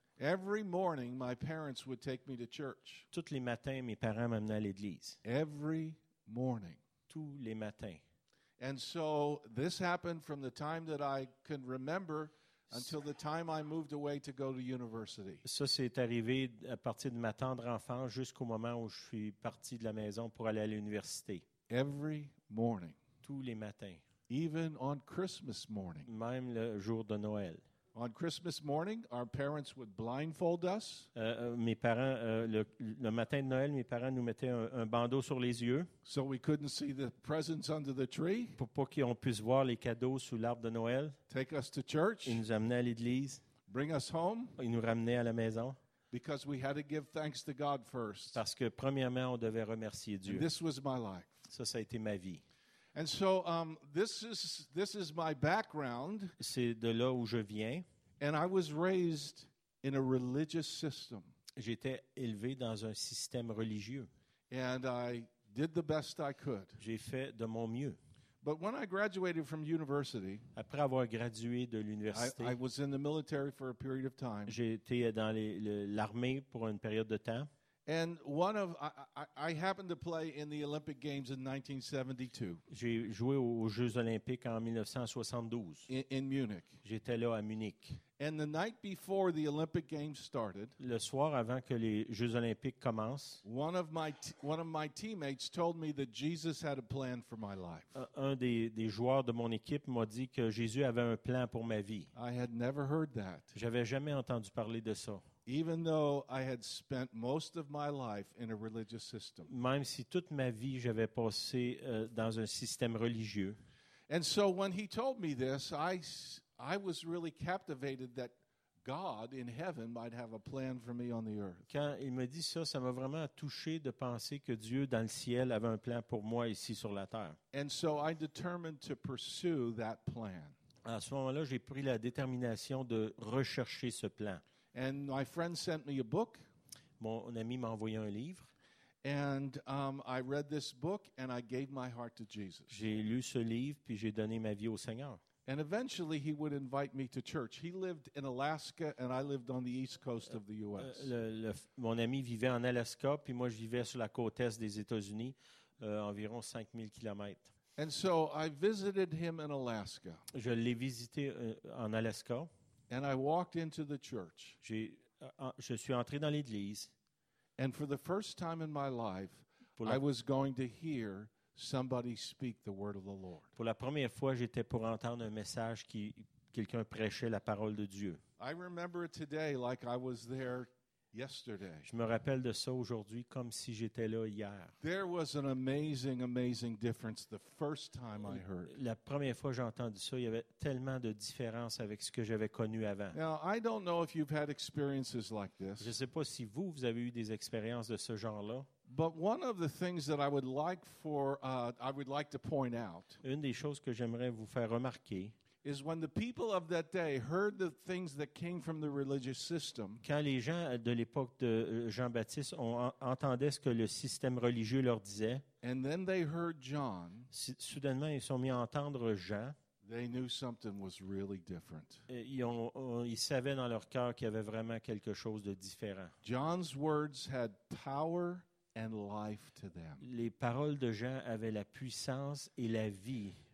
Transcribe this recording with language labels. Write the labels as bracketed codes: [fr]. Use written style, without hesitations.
[en] every morning my parents would take me to church. [fr] Tous les matins, mes parents m'amenaient à l'église. [en] Every morning. [fr] Tous les matins. [en] And so this happened from the time that I can remember until the time I moved away to go to university. [fr] Ça c'est arrivé à partir de ma tendre enfance jusqu'au moment où je suis parti de la maison pour aller à l'université. [en] Every morning. [fr] Tous les matins. [en] Even on Christmas morning. [fr] Même le jour de Noël. [en] On Christmas morning, our parents would blindfold us. [fr] Mes parents, le matin de Noël, mes parents nous mettaient un bandeau sur les yeux. [en] So we couldn't see the presents under the tree. [fr] Pour pas qu'on puisse voir les cadeaux sous l'arbre de Noël. [en] Take us to church. [fr] Ils nous amenaient à l'église. [en] Bring us home. [fr] Ils nous ramenaient à la maison. [en] Because we had to give thanks to God first. [fr] Parce que premièrement, on devait remercier Dieu. [en] And this was my life. [fr] Ça a été ma vie. [en] And so this is my background. [fr] C'est de là où je viens. [en] And I was raised in a religious system. [fr] J'étais élevé dans un système religieux. [en] And I did the best I could. [fr] J'ai fait de mon mieux. [en] But when I graduated from university, [fr] après avoir gradué de l'université, [en] I was in the military for a period of time. [fr] J'étais dans l'armée pour une période de temps. [en] And I happened to play in the Olympic Games in 1972. [fr] J'ai joué aux Jeux Olympiques en 1972. [en] In Munich. [fr] J'étais là à Munich. [en] And the night before the Olympic Games started, [fr] le soir avant que les Jeux Olympiques commencent, [en] one of my teammates told me that Jesus had a plan for my life. [fr] Un des joueurs de mon équipe m'a dit que Jésus avait un plan pour ma vie. [en] I had never heard that. [fr] J'avais jamais entendu parler de ça. [en] Even though I had spent most of my life in a religious system. [fr] Même si toute ma vie j'avais passé dans un système religieux. [en] And so when he told me this, I was really captivated that God in heaven might have a plan for me on the earth. [fr] Quand il me dit ça, ça m'a vraiment touché de penser que Dieu dans le ciel avait un plan pour moi ici sur la terre. [en] And so I determined to pursue that plan. [fr] À ce moment-là, j'ai pris la détermination de rechercher ce plan. [en] And my friend sent me a book. [fr] Mon ami m'a envoyé un livre. [en] And I read this book and I gave my heart to Jesus. [fr] J'ai lu ce livre puis j'ai donné ma vie au Seigneur. [en] And eventually he would invite me to church. He lived in Alaska and I lived on the east coast of the US. [fr] Mon ami vivait en Alaska puis moi je vivais sur la côte est des États-Unis, environ 5000 km. [en] And so I visited him in Alaska. [fr] Je l'ai visité en Alaska. [en] And I walked into the church. [fr] Je suis entré dans l'église. [en] And for the first time in my life, I was going to hear somebody speak the word of the Lord. [fr] Pour la première fois, j'étais pour entendre un message qui quelqu'un prêchait la parole de Dieu. [en] I remember it today like I was there yesterday. [fr] Je me rappelle de ça aujourd'hui comme si j'étais là hier. [en] There was an amazing, amazing difference the first time I heard. [fr] La première fois que j'ai entendu ça, il y avait tellement de différence avec ce que j'avais connu avant. [en] Now, I don't know if you've had experiences like this. [fr] Je ne sais pas si vous avez eu des expériences de ce genre-là. [en] But one of the things that I would like for I would like to point out. [fr] Une des choses que j'aimerais vous faire remarquer. [en] Is when the people of that day heard the things that came from the religious system. [fr] Quand les gens de l'époque de Jean-Baptiste entendaient ce que le système religieux leur disait. [en] And then they heard John. [fr] Soudainement, ils sont mis à entendre Jean. [en] They knew something was really different. [fr] Ils savaient dans leur cœur qu'il y avait vraiment quelque chose de différent. [en] John's words had power. And life to them. [fr] Les paroles de Jean avaient la puissance et la vie.